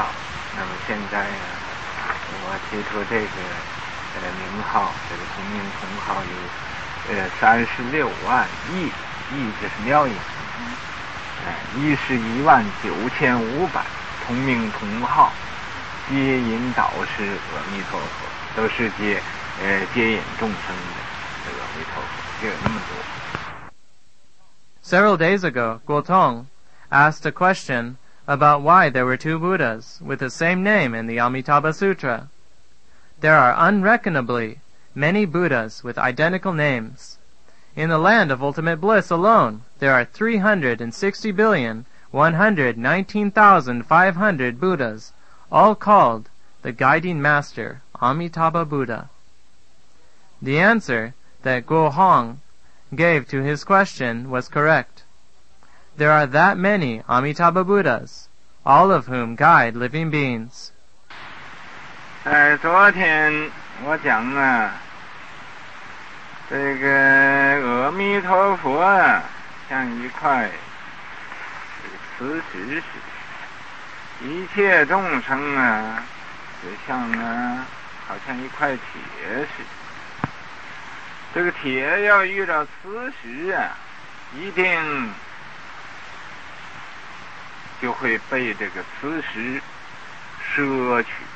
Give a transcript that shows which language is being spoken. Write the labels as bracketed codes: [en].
[zh] 三十六万亿，一十一万，19500同名同号，阿弥陀佛，就极乐世界就有这么多。当时啊，这个我行答复他那个问题，答复得很对，他也还不知道。那么现在呢？我提出这个名号，这个同名同号有36万亿，亿就是妙音，一是19500同名同号，接引导师阿弥陀佛，都是接引众生的阿弥陀佛，就有那么多。 [en] Several days ago, Guo Tong asked a question about why there were two Buddhas with the same name in the Amitabha Sutra. There are unreckonably many Buddhas with identical names. In the land of ultimate bliss alone, there are 360,119,500 Buddhas, all called the guiding master Amitabha Buddha. The answer that Guo Hong gave to his question was correct. There are that many Amitabha Buddhas, all of whom guide living beings. [zh] 昨天我讲啊，这个阿弥陀佛啊，像一块磁石似的，一切众生啊，就像呢，好像一块铁似的。这个铁要遇到磁石啊，一定就会被这个磁石摄取。